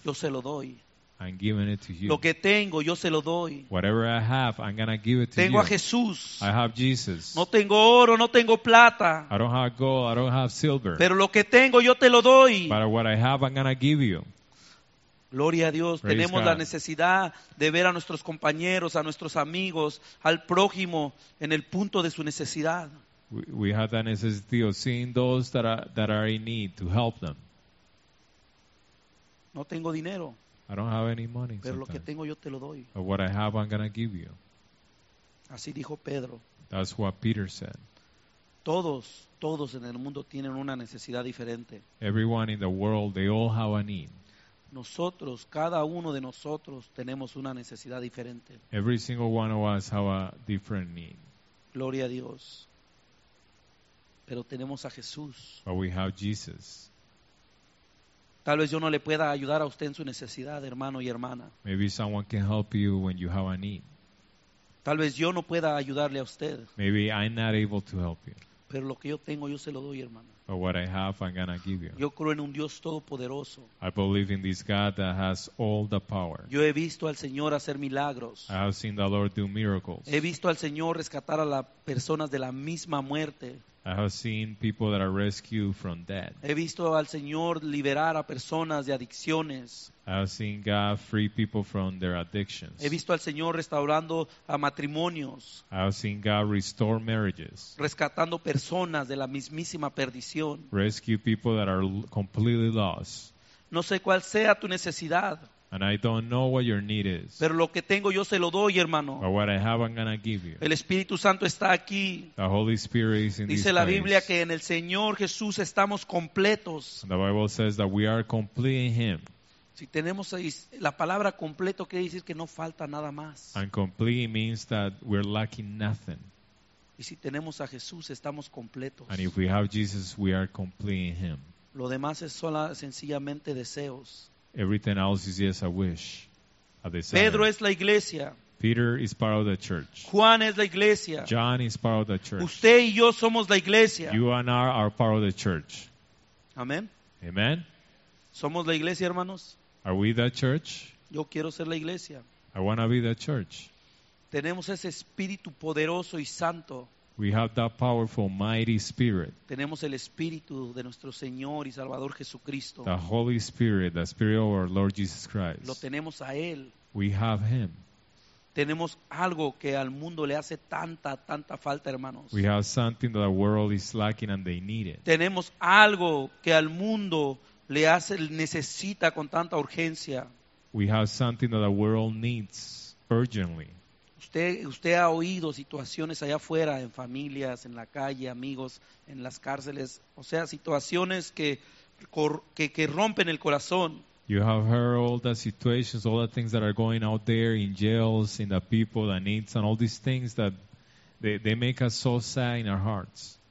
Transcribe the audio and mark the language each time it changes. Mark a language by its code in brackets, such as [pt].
[es] yo se lo doy. [en] I'm giving it to you. [es] Lo que tengo, yo se lo doy. [en] Whatever I have, I'm going to give it to [es] tengo [en] you. [es] A Jesús. [en] I have Jesus. [es] No tengo oro, no tengo plata. [en] I don't have gold, I don't have silver. [es] Pero lo que tengo, yo te lo doy. [en] But what I have, I'm going to give you. [es] Gloria a Dios. [en] Praise [es] tenemos [en] God. [es] La necesidad de ver a nuestros compañeros, a nuestros amigos, al prójimo en el punto de su necesidad. [en] We have that necessity of seeing those that are in need to help them. [es] No tengo dinero. [en] I don't have any money. [es] Pero lo que tengo yo te lo doy. [en] But what I have, I'm going to give you. [es] Así dijo Pedro. [en] That's what Peter said. [es] Todos en el mundo tienen una necesidad diferente. [en] Everyone in the world, they all have a need. [es] Nosotros, cada uno de nosotros, tenemos una necesidad diferente. [en] Every single one of us have a different need. [es] Gloria a Dios. Pero tenemos a Jesús. [en] But we have Jesus. [es] Tal vez yo no le pueda ayudar a usted en su necesidad, hermano y hermana. [en] Maybe someone can help you when you have a need. [es] Tal vez yo no pueda ayudarle a usted. [en] Maybe I'm not able to help you. [es] Pero lo que yo tengo, yo se lo doy, hermano. [en] But what I have, I'm gonna give you. [es] Yo creo en un Dios todopoderoso. [en] I believe in this God that has all the power. [es] Yo he visto al Señor hacer milagros. [en] I have seen the Lord do miracles. [es] He visto al Señor rescatar a las personas de la misma muerte. [en] I have seen people that are rescued from death. [es] He visto al Señor liberar a personas de adicciones. [en] I have seen God free people from their addictions. [es] He visto al Señor restaurando a matrimonios. [en] I have seen God restore marriages. [es] Rescatando personas de la mismísima perdición. [en] Rescue people that are completely lost. [es] No sé cuál sea tu necesidad. [en] And I don't know what your need is. [es] Pero lo que tengo yo se lo doy, hermano. [en] But what I have, I'm gonna give you. [es] El Espíritu Santo está aquí. [en] The Holy Spirit is in this place. [es] Dice la Biblia que en el Señor Jesús estamos completos. [en] The Bible says that we are complete in Him. [es] Si tenemos la palabra completo, quiere decir que no falta nada más. [en] And complete means that we're lacking nothing. [es] Y si tenemos a Jesús, estamos completos. [en] And if we have Jesus, we are complete in Him. [es] Lo demás es solo sencillamente deseos. [en] Everything else is just a wish, a desire. [es] Pedro es la iglesia. [en] Peter is part of the church. [es] Juan es la iglesia. [en] John is part of the church. [es] Usted y yo somos la iglesia. [en] You and I are part of the church. [es] Amen. [en] Amen. [es] Somos la iglesia, hermanos. [en] Are we the church? [es] Yo quiero ser la iglesia. [en] I want to be the church. [es] Tenemos ese espíritu poderoso y santo. [en] We have that powerful, mighty Spirit. [es] Tenemos el Espíritu de nuestro Señor y Salvador Jesucristo. [en] The Holy Spirit, the Spirit of our Lord Jesus Christ. [es] Lo tenemos a Él. [en] We have Him. [es] Tenemos algo que al mundo le hace tanta falta, hermanos. [en] We have something that the world is lacking and they need it. [es] Tenemos algo que al mundo le hace necesita con tanta urgencia. [en] We have something that the world needs urgently. [es] Usted ha oído situaciones allá afuera, en familias, en la calle, amigos, en las cárceles. O sea, situaciones que rompen el corazón. [en] You have heard all the situations, all the things that are going out there in jails, in the people that needs, and all these things that they make us so sad in our hearts.